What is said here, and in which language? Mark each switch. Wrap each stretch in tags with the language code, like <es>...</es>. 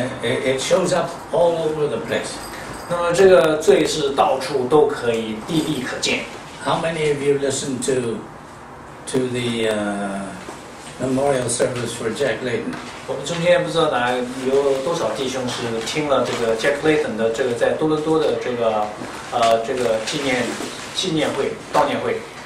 <en>it shows up all over the place.</en> <zh>那么这个罪是到处都可以，地地可见。</zh> <en>How many of you listened to the memorial service for Jack Layton.</en> <zh>我们中间不知道哪有多少弟兄是听了这个Jack Layton的这个在多伦多的这个纪念会悼念会。</zh>